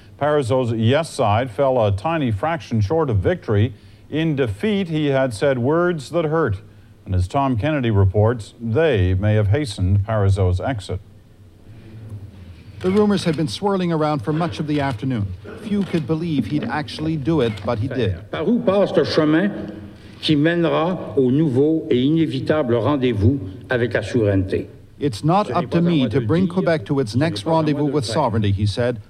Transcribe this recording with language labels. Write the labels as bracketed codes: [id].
[en] Parizeau's yes side fell a tiny fraction short of victory. In defeat, he had said words that hurt. And as Tom Kennedy reports, they may have hastened Parizeau's exit. The rumors had been swirling around for much of the afternoon. Few could believe he'd actually do it, but he did. [fr] Par où passe le chemin qui mènera au nouveau et inévitable rendez-vous avec la souveraineté? [en] It's not up to me to bring Quebec to its next rendezvous with sovereignty, he said.